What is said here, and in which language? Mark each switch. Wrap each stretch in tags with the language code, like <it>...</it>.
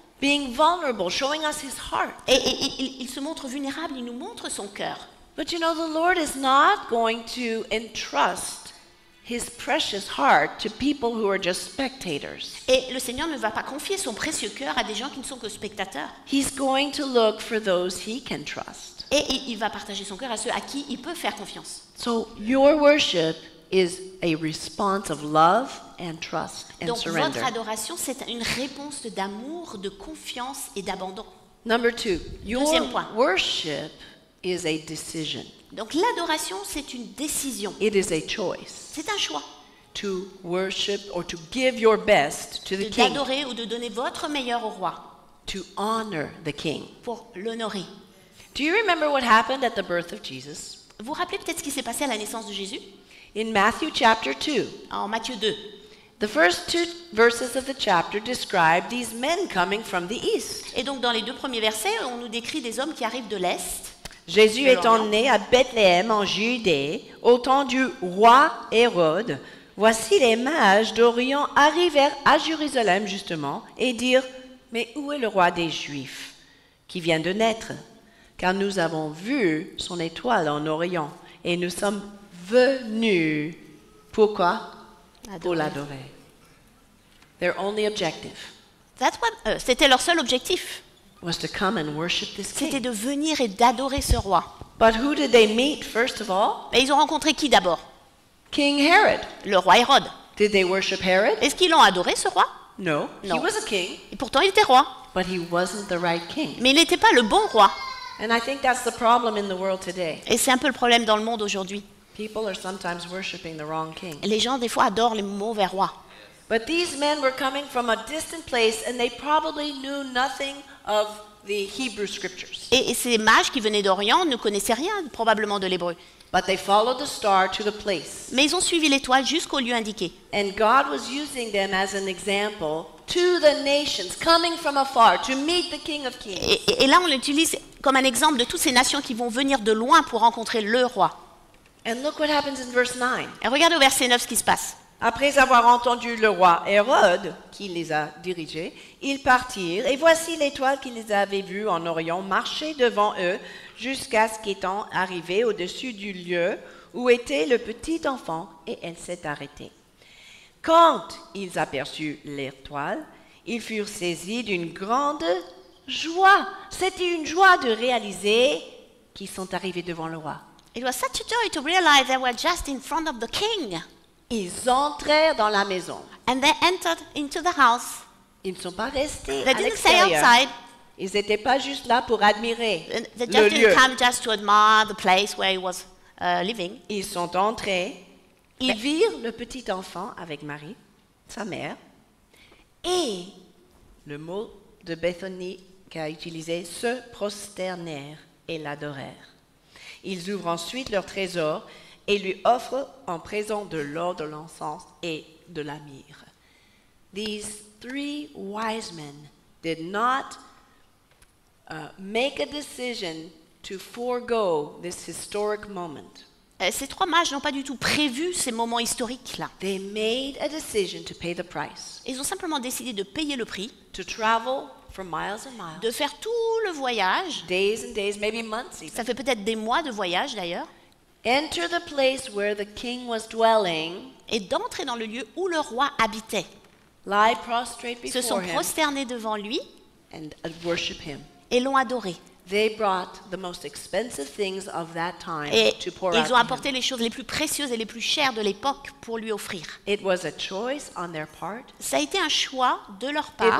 <en>Being vulnerable, showing us his heart.</en> <fr>Et il se montre vulnérable, il nous montre son cœur.</fr> <en>But you know, the Lord is not going to entrust his precious heart to people who are just spectators.</en> <fr>Et le Seigneur ne va pas confier son précieux cœur à des gens qui ne sont que spectateurs.</fr> <en>He's going to look for those he can trust.</en> <fr>Et il va partager son cœur à ceux à qui il peut faire confiance.</fr> <en>So your worship is a response of love and trust and</en> <fr>donc,</fr> <en>surrender.</en> <fr>Donc votre adoration c'est une réponse d'amour, de confiance et d'abandon.</fr> <en>Number two, your worship is a decision.</en> <fr>Donc l'adoration c'est une décision.</fr> <en>It is a choice.</en> <fr>C'est un choix.</fr> <en>To worship or to give your best to the king.</en> <fr>D'adorer ou de donner votre meilleur au roi.</fr> <en>To honor the king.</en> <fr>Pour l'honorer.</fr> <en>Do you remember what happened at the birth of Jesus?</en> <fr>Vous rappelez peut-être ce qui s'est passé à la naissance de Jésus?</fr> <en>In Matthew chapter 2.</en> <fr>En Matthieu 2.</fr> <en>The first two verses of the chapter describe these men coming from the east.</en> <fr>Et donc dans les deux premiers versets, on nous décrit des hommes qui arrivent de l'est. Jésus étant né à Bethléem en Judée, au temps du roi Hérode, voici les mages d'Orient arrivèrent à Jérusalem justement et dirent, « Mais où est le roi des Juifs qui vient de naître? Car nous avons vu son étoile en Orient et nous sommes venus, pourquoi? Pour l'adorer. »</fr> <en>Their only objective.</en> <fr>C'était leur seul objectif.</fr> <en>Was to come and worship this king.</en> <fr>C'était de venir et d'adorer ce roi.</fr> <en>But who did they meet first of all?</en> <fr>Mais ils ont rencontré qui d'abord?</fr> <en>King Herod.</en> <fr>Le roi Hérode.</fr> <en>Did they worship Herod?</en> <fr>Est-ce qu'ils l'ont adoré ce roi?</fr> <en>No.</en> <fr>Non.</fr> <en>He was a king.</en> <fr>Et pourtant il était roi.</fr> <en>But he wasn't the right king.</en> <fr>Mais il n'était pas le bon roi.</fr> <en>And I think that's the problem in the world today.</en> <fr>Et c'est un peu le problème dans le monde aujourd'hui.</fr> <en>People are sometimes worshiping the wrong king.</en> <fr>Les gens des fois adorent les mauvais rois.</fr> <en>But these men were coming from a distant place and they probably knew nothing of the Hebrew scriptures.</en> <fr>Et ces mages qui venaient d'Orient ne connaissaient rien probablement de l'hébreu.</fr> <en>But they followed the star to the place.</en> <fr>Mais ils ont suivi l'étoile jusqu'au lieu indiqué.</fr> <en>And God was using them as an example to the nations coming from afar to meet the King of Kings.</en> <fr>Et là on l'utilise comme un exemple de toutes ces nations qui vont venir de loin pour rencontrer le roi.</fr> <en>And look what happens in verse 9.</en> <fr>Et regardez au verset 9 ce qui se passe. Après avoir entendu le roi Hérode, qui les a dirigés, ils partirent, et voici l'étoile qu'ils avaient vue en Orient marcher devant eux, jusqu'à ce qu'étant arrivée au-dessus du lieu où était le petit enfant, et elle s'est arrêtée. Quand ils aperçurent l'étoile, ils furent saisis d'une grande joie. C'était une joie de réaliser qu'ils sont arrivés devant le roi.</fr> <en>It was such a joy to realize they were just in front of the king.</en> <fr>Ils entrèrent dans la maison.</fr> <en>And they entered into the house.</en> <fr>Ils ne sont pas restés</fr> <en>they</en> <fr>à</fr> <en>didn't</en> <fr>l'extérieur.</fr> <en>Stay outside.</en> <fr>Ils n'étaient pas juste là pour admirer</fr> <en>they just</en> <fr>le</fr> <en>didn't</en> <fr>lieu.</fr> <en>Come just to admire the place where he was living.</en> <fr>Ils sont entrés. Ils virent le petit enfant avec Marie, sa mère, et le mot de Bethany qu'a utilisé se prosternèrent et l'adorèrent. Ils ouvrent ensuite leur trésor et lui offre en présent de l'or, de l'encens et de la myrrhe.</fr> <en>These three wise men did not make a decision to forego this historic moment.</en> <fr>Ces trois mages n'ont pas du tout prévu ces moments historiques-là.</fr> <en>They made a decision to pay the price.</en> <fr>Ils ont simplement décidé de payer le prix.</fr> <en>To travel for miles and miles.</en> <fr>De faire tout le voyage.</fr> <en>Days and days, maybe months even.</en> <fr>Ça fait peut-être des mois de voyage d'ailleurs.</fr> <en>enter the place where the king was dwelling,</en> <fr>et d'entrer dans le lieu où le roi habitait,</fr> <en>lie prostrate before</en> <fr>se sont prosternés devant lui</fr> <en>and worship him.</en> <fr>Et l'ont adoré.</fr> <en>They brought the most expensive things of that time</en> <fr>et</fr> <en>to pour</en> <fr>ils ont apporté</fr> <en>him.</en> <fr>Les choses les plus précieuses et les plus chères de l'époque pour lui offrir.</fr> <en>It was a choice on their part.</en> <fr>Ça a été un choix de leur part.</fr>